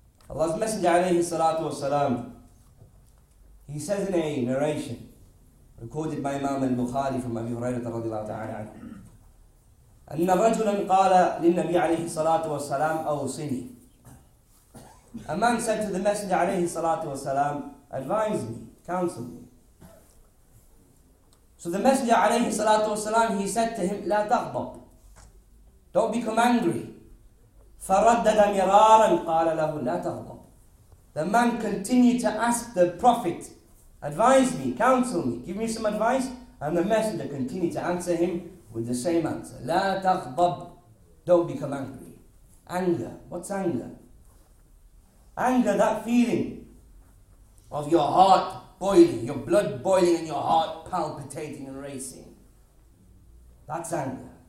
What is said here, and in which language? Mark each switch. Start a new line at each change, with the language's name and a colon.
English: Allah's Messenger alayhi salatu wasalam, he says in a narration recorded by Imam al-Bukhari from Abi Hurairah radiallahu ta'ala anhu,
Arabic: أَنَّ رَجُلًا قَالَ لِلنَّبِي عَلَيْهِ صَلَاةُ وَسَلَامُ أَوْصِنِي.
English: A man said to the Messenger alayhi salatu wasalam, advise me, counsel me. So the Messenger alayhi salatu wasalam, he said to him,
Arabic: لا تغضب,
English: don't become angry.
Arabic: فردد مرارا قال له لا تغضب.
English: The man continued to ask the Prophet, advise me, counsel me, give me some advice. And the Messenger continued to answer him with the same answer.
Arabic: لا تغضب,
English: don't become angry. Anger, what's anger? Anger, that feeling of your heart boiling, your blood boiling and your heart palpitating and racing. That's anger.